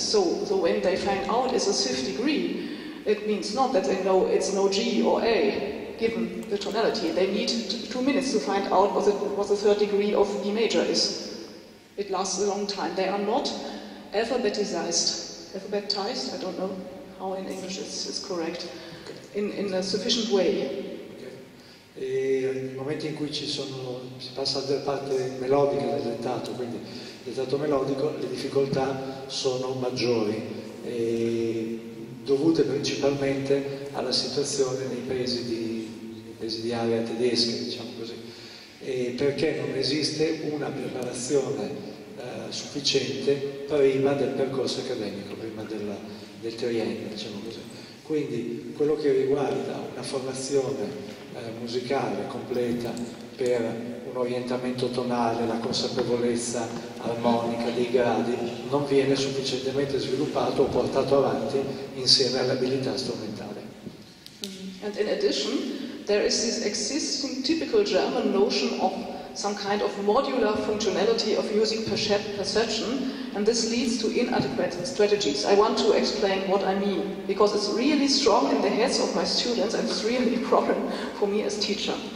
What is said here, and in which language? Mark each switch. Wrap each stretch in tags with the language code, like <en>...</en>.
<en>So when they find out it's a fifth degree, it means not that they know it's no G or A, given the tonality. They need 2 minutes to find out what the third degree of E major is. It lasts a long time. They are not alphabetized, I don't know how in English is correct, in a sufficient way.</en> <it>E nei momenti in cui si passa dalla parte melodica del dettato, quindi dettato melodico, le difficoltà sono maggiori, e dovute principalmente alla situazione nei paesi di area tedesca, diciamo così, e perché non esiste una preparazione sufficiente prima del percorso accademico, prima del triennio, diciamo così. Quindi quello che riguarda una formazione musicale completa per un orientamento tonale, la consapevolezza armonica dei gradi, non viene sufficientemente sviluppato o portato avanti insieme all'abilità strumentale.</it> <en>And in addition, there is this existing typical German notion of some kind of modular functionality of using perception, and this leads to inadequate strategies. I want to explain what I mean, because it's really strong in the heads of my students, and it's really a problem for me as teacher.</en>